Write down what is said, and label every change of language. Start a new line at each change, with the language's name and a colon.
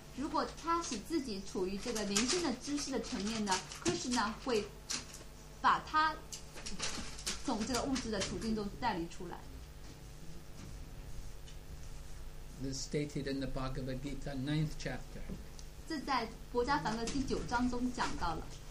Chinese: 如果他使自己处于这个灵性的知识的层面呢 ，Krishna 会把他从这个物质的处境中带离出来。
English: This stated in the Bhagavad Gita, 9th chapter.
Chinese: 这在《薄伽梵歌》第九章中讲到了。